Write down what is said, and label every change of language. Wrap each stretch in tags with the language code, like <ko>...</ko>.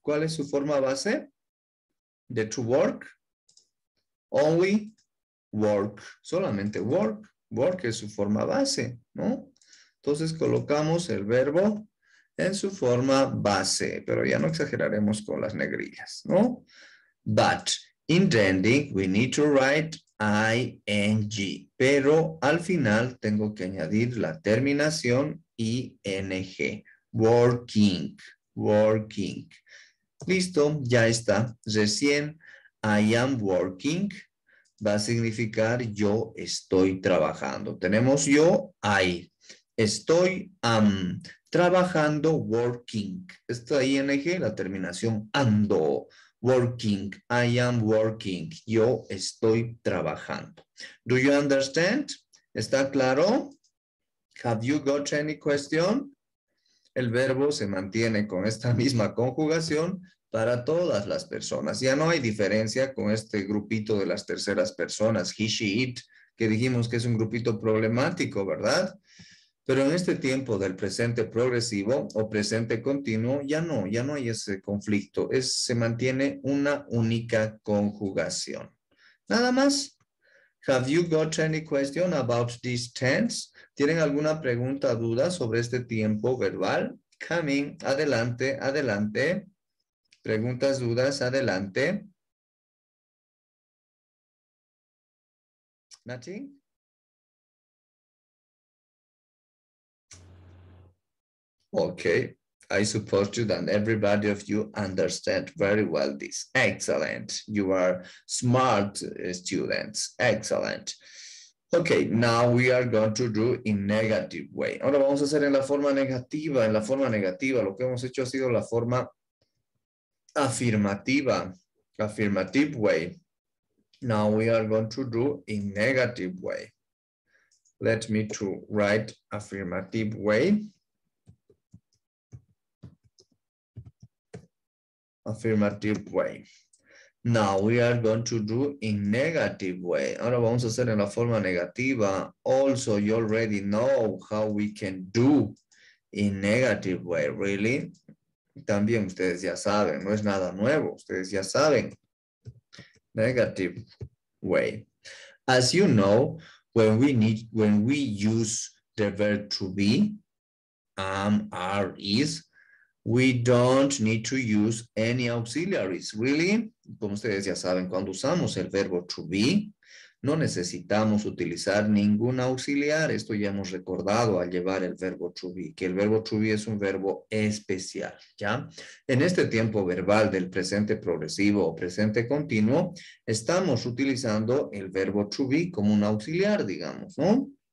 <es>¿Cuál es su forma base de</es> <en>to work? Only work.</en> <es>Solamente</es> <en>work.</en> <es>Work es su forma base, ¿no? Entonces colocamos el verbo en su forma base, pero ya no exageraremos con las negrillas, ¿no?</es> <en>But in the ending, we need to write ing.</en> <es>Pero al final tengo que añadir la terminación ing.</es> <en>Working. Working.</en> <es>Listo, ya está. Recién,</es> <en>I am working</en> <es>va a significar yo estoy trabajando. Tenemos yo, I. Estoy trabajando, working. Esta ing, la terminación ando, working.</es> <en>I am working.</en> <es>Yo estoy trabajando.</es> <en>Do you understand?</en> <es>¿Está claro?</es> <en>Have you got any question?</en> <es>El verbo se mantiene con esta misma conjugación para todas las personas. Ya no hay diferencia con este grupito de las terceras personas,</es> <en>he, she, it,</en> <es>que dijimos que es un grupito problemático, ¿verdad? Pero en este tiempo del presente progresivo o presente continuo, ya no hay ese conflicto. Se mantiene una única conjugación. Nada más.</es> <en>Have you got any question about this tense?</en> <es>¿Tienen alguna pregunta, duda sobre este tiempo verbal? Coming, adelante, adelante. Preguntas, dudas, adelante. Nachi.</es> <en>Okay, I suppose that everybody of you understand very well this. Excellent. You are smart students. Excellent. Okay, now we are going to do in negative way.</en> <es>Ahora vamos a hacer en la forma negativa, en la forma negativa. Lo que hemos hecho ha sido la forma afirmativa,</es> <en>affirmative way. Now we are going to do in negative way. Let me to write affirmative way. Affirmative way. Now we are going to do in negative way.</en> <es>Ahora vamos a hacer en la forma negativa.</es> <en>Also, you already know how we can do in negative way, really.</en> <es>También ustedes ya saben, no es nada nuevo, ustedes ya saben.</es> <en>Negative way. As you know, when we use the verb to be, are, is, we don't need to use any auxiliaries, really.</en> <es>Como ustedes ya saben, cuando usamos el verbo to be, no necesitamos utilizar ningún auxiliar. Esto ya hemos recordado al llevar el verbo to be, que el verbo to be es un verbo especial, ¿ya? En este tiempo verbal del presente progresivo o presente continuo, estamos utilizando el verbo to be como un auxiliar, digamos, ¿no?</es>